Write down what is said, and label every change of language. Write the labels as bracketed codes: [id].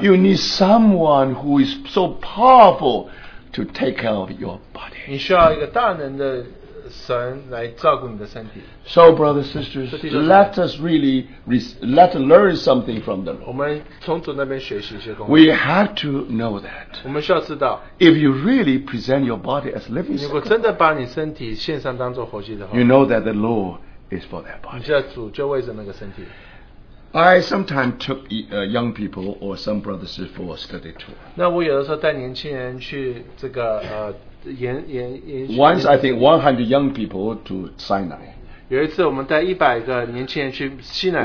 [en] you need someone who is so powerful to take care of your body. [zh] 你需要一个大能的神来照顾你的身体。 [en] So, brothers and sisters, let us really let us learn something from them. [zh] 我们从主那边学习一些东西。 [en] We have to know that. [zh] 我们需要知道, [en] if you really present your body as living sacrifice, [zh] 如果真的把你身体献上当作活祭的话, [en] you know that the law is for that body. [zh] 你知道主就为着那个身体。 [en] I sometimes took young people or some brothers for a study tour. [zh] 那我有的时候带年轻人去这个, [en] once I think 100 young people to Sinai. [zh] 有一次我们带100个年轻人去西南,